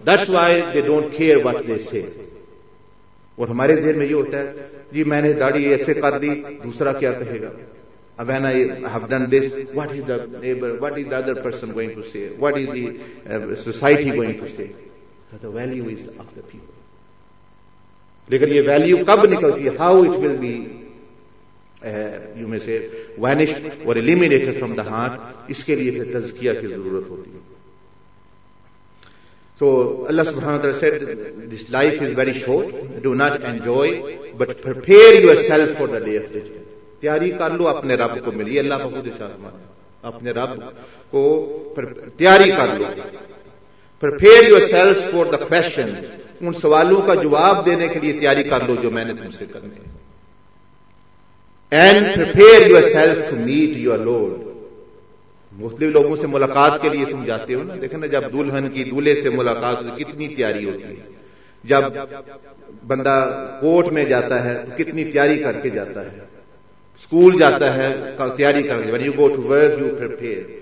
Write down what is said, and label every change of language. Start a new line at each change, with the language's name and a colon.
English: That's why they don't care what they say.
Urdu: اور ہمارے ذہن میں یہ ہوتا ہے جی میں نے داڑھی ایسے کر دی دوسرا کیا کہے گا.
English: اب when I have done this what is the neighbour what is the other person going to say what is the society going to say. The value is of the people.
Urdu: لیکن یہ ویلیو کب نکلتی ہے,
English: how it will be you may say vanish اور eliminated from the heart,
Urdu: اس کے لیے پھر تزکیہ کی ضرورت ہوتی ہے.
English: So Allah subhanahu wa ta'ala said this life is very short, do not enjoy but prepare yourself for the day of judgment.
Urdu: تیاری کر لو اپنے رب کو ملیے. اللہ بہت ارشاد فرمایا اپنے رب کو تیاری کر لو.
English: Prepare yourself for the question,
Urdu: ان سوالوں کا جواب دینے کے لیے تیاری کر لو جو میں نے تم سے کرنے.
English: And prepare yourself to meet your Lord.
Urdu: مختلف لوگوں سے ملاقات کے لیے تم جاتے ہو نا, دیکھیں نا جب دلہن کی دولہے سے ملاقات کتنی تیاری ہوتی ہے. جب بندہ کورٹ میں جاتا ہے تو کتنی تیاری کر کے جاتا ہے. اسکول جاتا ہے تیاری کر کے.
English: When you go to work you prepare.